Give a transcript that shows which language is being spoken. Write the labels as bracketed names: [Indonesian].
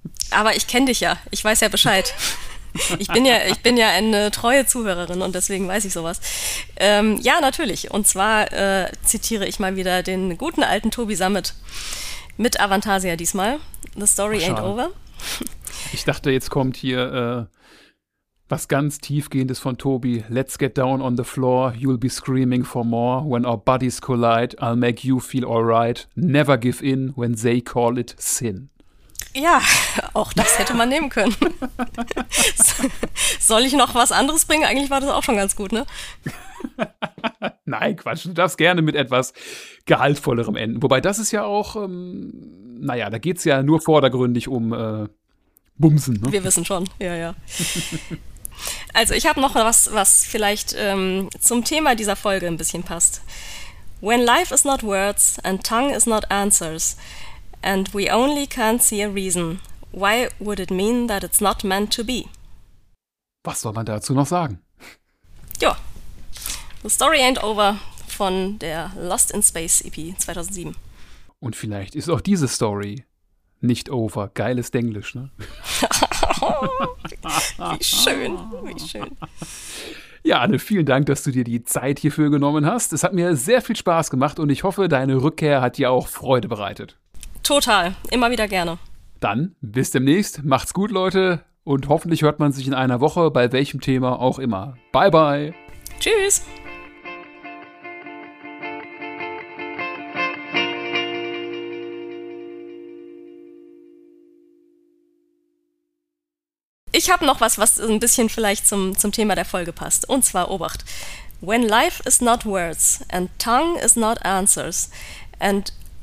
[German] Aber ich kenne dich ja, ich weiß ja Bescheid. Ich bin ja eine treue Zuhörerin und deswegen weiß ich sowas. Ja, natürlich. Und zwar zitiere ich mal wieder den guten alten Tobi Sammet mit Avantasia diesmal. [English] The story ain't over. [German] Ich dachte, jetzt kommt hier was ganz Tiefgehendes von Tobi. [English] Let's get down on the floor. You'll be screaming for more. When our bodies collide, I'll make you feel alright. Never give in when they call it sin. [German] Ja, auch das hätte man nehmen können. Soll ich noch was anderes bringen? Eigentlich war das auch schon ganz gut, ne? Nein, Quatsch, du darfst gerne mit etwas Gehaltvollerem enden. Wobei das ist ja auch, naja, da geht es ja nur vordergründig um Bumsen, ne? Wir wissen schon, ja, ja. Also ich habe noch was, was vielleicht zum Thema dieser Folge ein bisschen passt. [English] When life is not words and tongue is not answers, and we only can't see a reason, why would it mean that it's not meant to be? [German] Was soll man dazu noch sagen? Ja, The Story Ain't Over von der Lost in Space EP 2007. Und vielleicht ist auch diese Story nicht over. Geiles Denglisch, ne? Wie schön. Ja, Anne, vielen Dank, dass du dir die Zeit hierfür genommen hast. Es hat mir sehr viel Spaß gemacht und ich hoffe, deine Rückkehr hat dir auch Freude bereitet. Total, immer wieder gerne. Dann bis demnächst. Macht's gut, Leute. Und hoffentlich hört man sich in einer Woche, bei welchem Thema auch immer. [English] Bye, bye. [German] Tschüss. Ich habe noch was, was ein bisschen vielleicht zum Thema der Folge passt. Und zwar, Obacht. [English] When life is not words and tongue is not answers and